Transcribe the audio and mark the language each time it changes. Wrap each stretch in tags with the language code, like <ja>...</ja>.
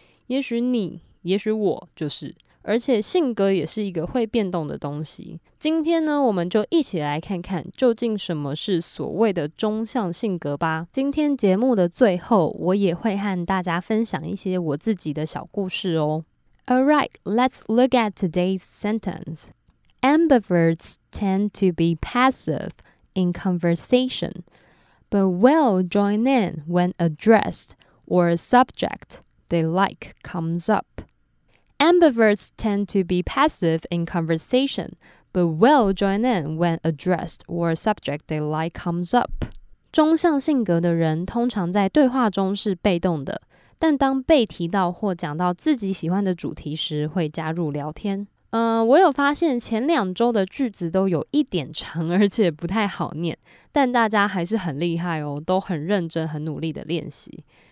<zh>也许你，也许我，就是。而且性格也是一个会变动的东西。今天呢，我们就一起来看看究竟什么是所谓的中向性格吧。今天节目的最后，我也会和大家分享一些我自己的小故事哦。</zh> <en>Alright, let's look at today's sentence. Ambiverts tend to be passive in conversation, but will join in when addressed or a subject they like comes up. Ambiverts tend to be passive in conversation, but will join in when addressed or a subject they like comes up.</en> <zh>中向性格的人通常在对话中是被动的，但当被提到或讲到自己喜欢的主题时，会加入聊天。我有发现前两周的句子都有一点长，而且不太好念，但大家还是很厉害哦，都很认真、很努力的练习。</zh>